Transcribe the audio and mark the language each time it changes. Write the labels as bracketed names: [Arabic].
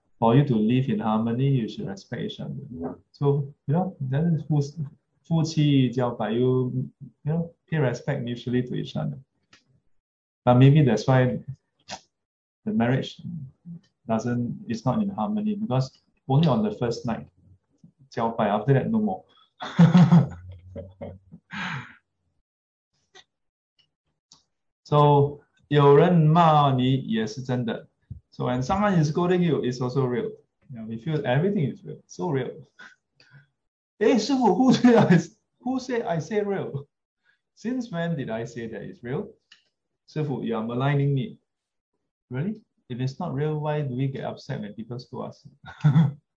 [English] For you to live in harmony, you should respect each other. So, that is 夫妻交拜, you pay respect mutually to each other. But maybe that's why the marriage is not in harmony, because only on the first night, 交拜, after that, no more. So, [Chinese] 有人骂你也是真的. [English] So, when someone is scolding you, it's also real. Yeah, we feel everything is real, so real. Hey, Shifu, who say I say real? Since when did I say that it's real? Shifu, you are maligning me. Really? If it's not real, why do we get upset when people scold us?